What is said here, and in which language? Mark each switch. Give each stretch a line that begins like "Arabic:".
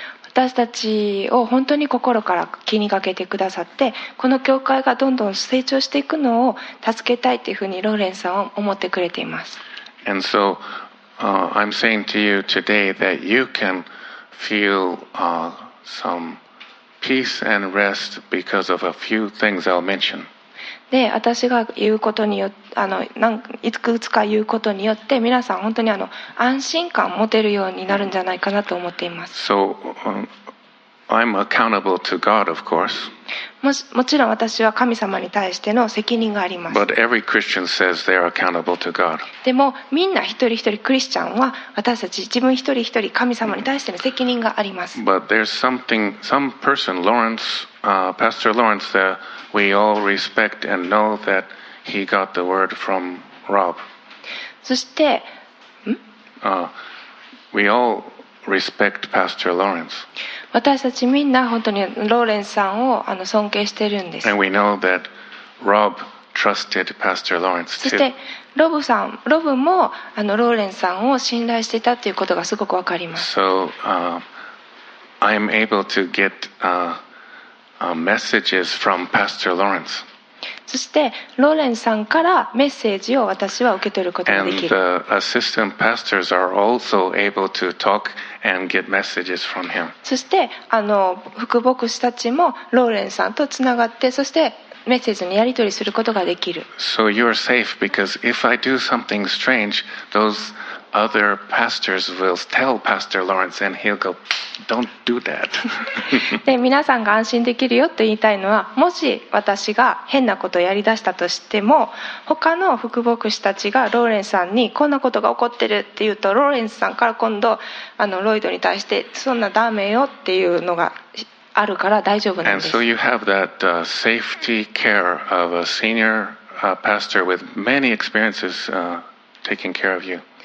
Japanese: 私たちを本当に心から気にかけてくださって、この教会がどんどん成長していくのを助けたいというふうにローレンさんは思ってくれています。
English: And so,I'm saying to you today that you can feel some peace and rest because of a few things I'll mention.
Japanese: で、私が言うことによって、あの、なんいくつか言うことによって、皆さん本当にあの安心感を持てるようになるんじゃないかなと思っています。
English: So, I'm accountable to God, of course.
Japanese: もちろん私は神様に対しての責任があります。
English: But every Christian says they're accountable to God.
Japanese: でもみんな一人一人クリスチャンは私たち自分一人一人神様に対しての責任があります。
English: But there's something, some person, Lawrence, Pastor Lawrence, that we all respect and know that he got the word from Rob.
Japanese: そして、
English: we all respect Pastor Lawrence.
Japanese: 私たちみんな本当にローレンさんをあの尊敬してるんです。
English: And we know that Rob trusted Pastor Lawrence too.
Japanese: そしてロブもあのローレンさんを信頼していたということがすごくわかります。
English: So, I am able to get messages from Pastor Lawrence.
Japanese: そしてローレンさんからメッセージを私は受け取ることができる。
English: And the assistant pastors are also able to talk. And get messages from him.
Japanese: そしてあの副牧師たちもローレンさんとつながってそしてメッセージのやり取りすることができる。
English: So you're safe because if I do something strange, those other pastors will tell Pastor Lawrence and he'll go, "Don't do that."
Japanese: で皆さんが安心できるよと言いたいのは、もし私が変なことをやりだしたとしても、他の副牧師たちがローレンさんにこんなことが起こってるって言うと、ローレンさんから今度あのロイドに対してそんなダメよっていうのが。あるから大丈夫なんです。
English: And so you have that safety care of a senior pastor with many experiences taking care of you.